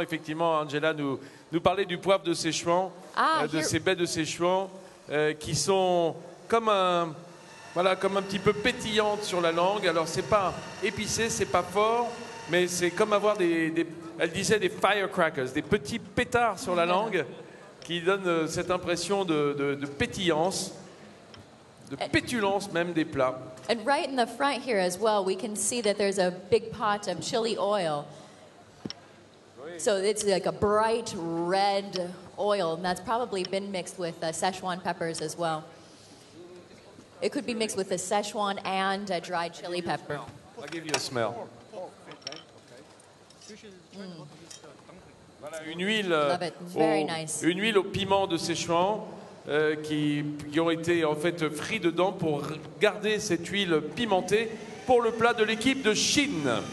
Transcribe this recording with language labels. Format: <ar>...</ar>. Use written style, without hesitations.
<fr>Effectivement, Angela nous parlait du poivre de Sichuan, de ces baies de Sichuan qui sont comme un, voilà, comme un petit peu pétillantes sur la langue. Alors, c'est pas épicé, c'est pas fort, mais c'est comme avoir elle disait des firecrackers, des petits pétards sur la langue qui donnent cette impression de pétillance, de pétulance même des plats.</fr> <en>And right in the front here as well, we can see that there's a big pot of chili oil. So it's like a bright red oil, and that's probably been mixed with Sichuan peppers as well. It could be mixed with a Sichuan and a dried chili pepper. I'll give you a smell.</en> <fr>Voilà, une huile une huile au piment de Sichuan qui ont été en fait frits dedans pour garder cette huile pimentée pour le plat de l'équipe de Chine.</fr>